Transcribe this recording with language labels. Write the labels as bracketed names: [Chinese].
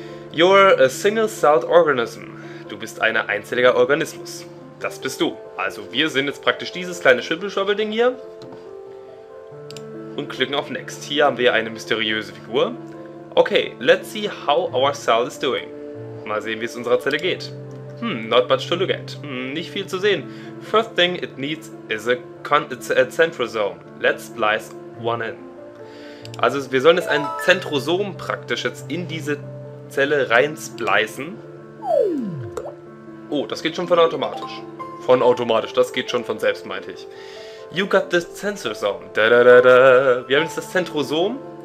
[English] You're a single-celled organism. [German] Du bist ein einzelliger Organismus. Das bist du. Also wir sind jetzt praktisch dieses kleine Schwibbel-Schwabbel-Ding hier. Und klicken auf Next. Hier haben wir eine mysteriöse Figur. [English] Okay, let's see how our cell is doing. [German] Mal sehen, wie es unserer Zelle geht. [English] Not much to look at. [German] Nicht viel zu sehen. [English] First thing it needs is a centrosome. Let's splice one in. [German] Also wir sollen jetzt ein Zentrosom praktisch jetzt in diese Zelle rein splicen. Oh, das geht schon von automatisch. Von automatisch, das geht schon von selbst, meinte ich. [English] You got the centrosome. [German] Da-da-da-da. Wir haben jetzt das Zentrosom.